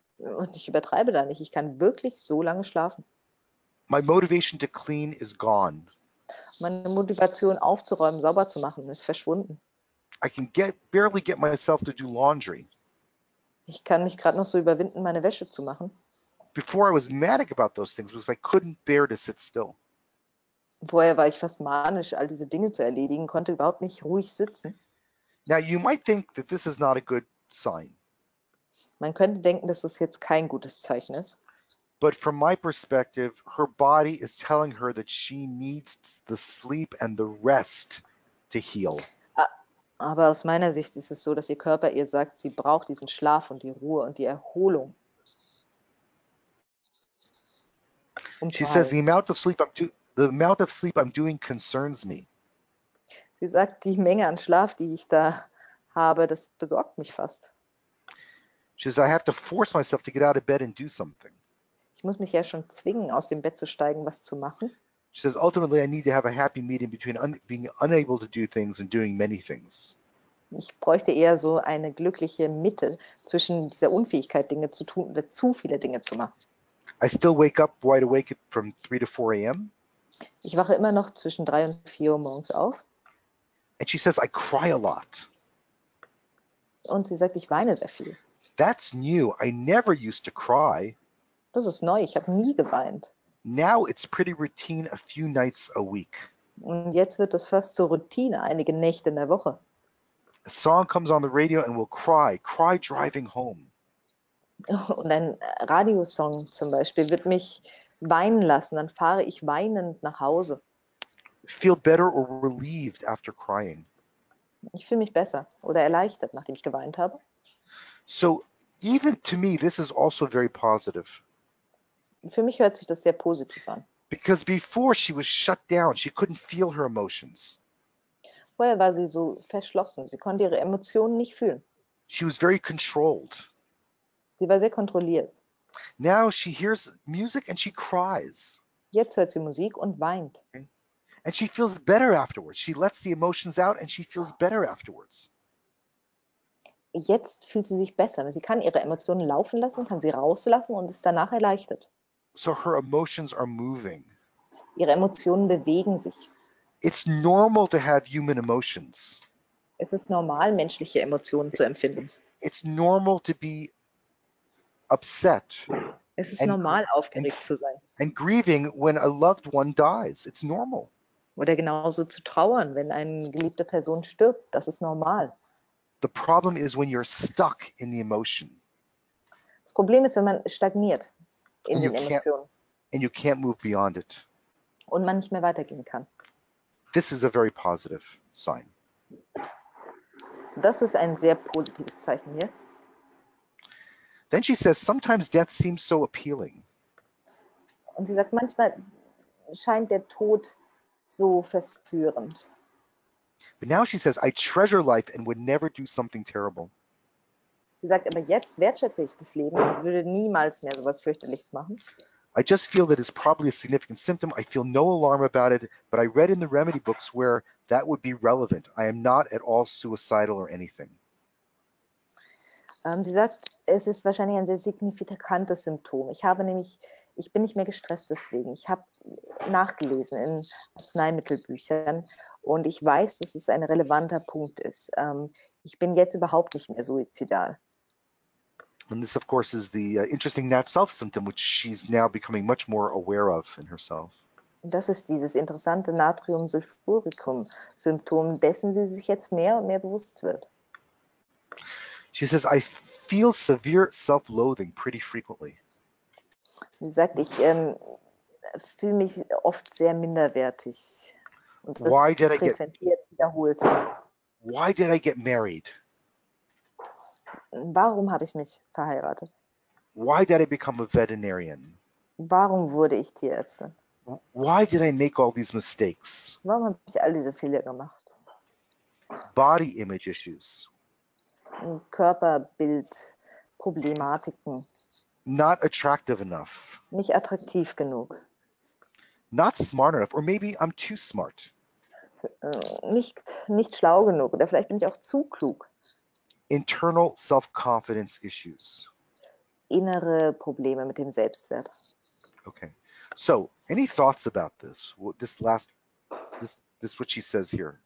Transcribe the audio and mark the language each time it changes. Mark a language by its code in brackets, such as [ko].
[de] übertreibe da nicht. Ich kann wirklich so lange schlafen. [en] My motivation to clean is gone. [de] Meine Motivation aufzuräumen, sauber zu machen, ist verschwunden. [en] I can barely get myself to do laundry. [de] Ich kann mich gerade noch so überwinden, meine Wäsche zu machen. [en] Before I was manic about those things because I couldn't bear to sit still. [de] Vorher war ich fast manisch, all diese Dinge zu erledigen, konnte überhaupt nicht ruhig sitzen. [en] Now you might think that this is not a good sign. [de] Man könnte denken, dass das jetzt kein gutes Zeichen ist. [en] But from my perspective, her body is telling her that she needs the sleep and the rest to heal. [de] Aber aus meiner Sicht ist es so, dass ihr Körper ihr sagt, sie braucht diesen Schlaf und die Ruhe und die Erholung, um [en] She says, [de] heilen. [en] the amount of sleep I'm doing concerns me. [de] Sie sagt, die Menge an Schlaf, die ich da habe, das besorgt mich fast. [en] She says, I have to force myself to get out of bed and do something. [de] Ich muss mich ja schon zwingen, aus dem Bett zu steigen, was zu machen. [en] She says, ultimately, I need to have a happy medium between un being unable to do things and doing many things. [de] Ich bräuchte eher so eine glückliche Mitte zwischen dieser Unfähigkeit, Dinge zu tun oder zu viele Dinge zu machen. [en] I still wake up wide awake from 3 to 4 a.m. [de] Ich wache immer noch zwischen 3 und 4 Uhr morgens auf. [en] And she says, I cry a lot. [de] Und sie sagt, ich weine sehr viel. [en] That's new. I never used to cry. [de] Das ist neu, ich habe nie geweint. [en] Now it's pretty routine a few nights a week. [de] Und jetzt wird das fast zur Routine, einige Nächte in der Woche. [en] A song comes on the radio and we'll cry, cry driving home. [de] Und ein Radiosong zum Beispiel wird mich weinen lassen, dann fahre ich weinend nach Hause. [en] Feel better or relieved after crying. [de] Ich fühle mich besser oder erleichtert, nachdem ich geweint habe. [en] So, even to me, this is also very positive. [de] Für mich hört sich das sehr positiv an. [en] Because before she was shut down, she couldn't feel her emotions. [de] Vorher war sie so verschlossen, sie konnte ihre Emotionen nicht fühlen. [en] She was very controlled. [de] Sie war sehr kontrolliert. [en] Now she hears music and she cries. [de] Jetzt hört sie Musik und weint. [en] And she feels better afterwards. She lets the emotions out and she feels better afterwards. [de] Jetzt fühlt sie sich besser. Sie kann ihre Emotionen laufen lassen, kann sie rauslassen und ist danach erleichtert. [en] So her emotions are moving. [de] Ihre Emotionen bewegen sich. [en] It's normal to have human emotions. [de] Es ist normal, menschliche Emotionen zu empfinden. [en] It's normal to be upset [de] Es ist normal, aufgeregt zu sein. [en] and grieving when a loved one dies. It's normal. [de] Oder genauso zu trauern, wenn eine geliebte Person stirbt. Das ist normal. [en] The problem is when you're stuck in the emotion. [de] Das Problem ist, wenn man stagniert in den Emotionen [en] And you can't move beyond it. [de] und man nicht mehr weitergehen kann. [en] This is a very positive sign. [de] Das ist ein sehr positives Zeichen hier. [en] Then she says, sometimes death seems so appealing. [de] Und sie sagt, manchmal scheint der Tod so verführend. [en] Now she says, I treasure life and would never do something terrible. [de] Sie sagt, aber jetzt wertschätze ich das Leben und würde niemals mehr sowas Fürchterliches machen. [en] I just feel that it's probably a significant symptom. I feel no alarm about it, but I read in the remedy books where that would be relevant. I am not at all suicidal or anything. [de] Sie sagt, es ist wahrscheinlich ein sehr signifikantes Symptom. Ich bin nicht mehr gestresst deswegen. Ich habe nachgelesen in Arzneimittelbüchern und ich weiß, dass es ein relevanter Punkt ist. Ich bin jetzt überhaupt nicht mehr suizidal. [en] And this, of course, is the interesting Not-Self-Symptom, which she's now becoming much more aware of in herself. [de] Das ist dieses interessante Natrium-Sulfuricum-Symptom, dessen sie sich jetzt mehr und mehr bewusst wird. [en] She says, I feel severe self-loathing pretty frequently. [de] Sie sagt, ich fühle mich oft sehr minderwertig und [en] Why [de] das [en] did I get [de] frequentiert, wiederholt. [en] married? [de] Warum habe ich mich verheiratet? [en] Why did I become a veterinarian? [de] Warum wurde ich Tierärztin? [en] Why did I make all these mistakes? [de] Warum habe ich all diese Fehler gemacht? [en] Body image issues. [de] Körperbildproblematiken. [en] Not attractive enough. [de] Nicht attraktiv genug. [en] Not smart enough, or maybe I'm too smart. [de] Nicht schlau genug oder vielleicht bin ich auch zu klug. [en] Internal self-confidence issues. [de] Innere Probleme mit dem Selbstwert. [en] Okay. So, any thoughts about this? This last, this what she says here.